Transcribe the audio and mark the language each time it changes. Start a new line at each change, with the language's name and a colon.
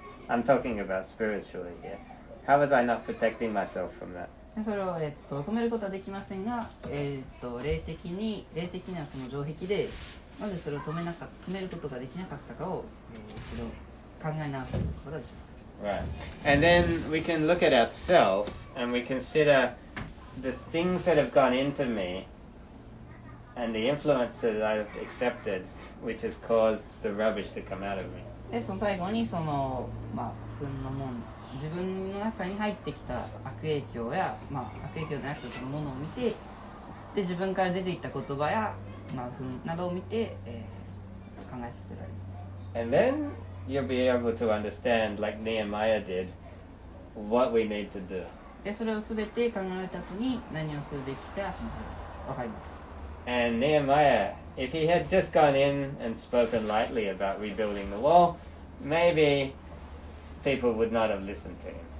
English: I'm talking about spiritually here. How was I not protecting myself from that?
Japanese: それを、止めることはできませんが、霊的なその城壁でなぜそれを止めることができなかったかを、一度考え直すことができます。
English: Right. And then we can look at ourselves and we consider the things that have gone into me and the influence that I've accepted which has caused the rubbish to come out of me.
Japanese: で、その最後にその、まあ、不運のもの自分の中に入ってきた悪影響や、まあ、悪影響であったそのものを見て、で、自分から出ていった言葉や、まあ、などを見て、考えさせられます。
English: And then you'll be able to understand, like Nehemiah did, what we need to do.
Japanese: で、それをすべて考えた後に何をするべきか、わかります。
English: And Nehemiah, if he had just gone in and spoken lightly about rebuilding the wall, maybe. People would not have listened to him.